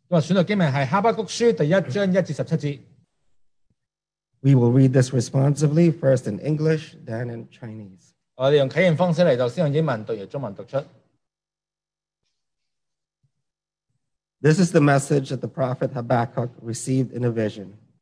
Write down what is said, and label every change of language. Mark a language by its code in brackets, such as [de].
[zh] 選讀經文是哈巴谷書第一章1至17節。 [en] We will read this responsively, first in English, then in Chinese. [zh] 我們用啟言方式來讀,先用英文讀,用中文讀出。 [en] This is the message that the prophet Habakkuk received in a vision.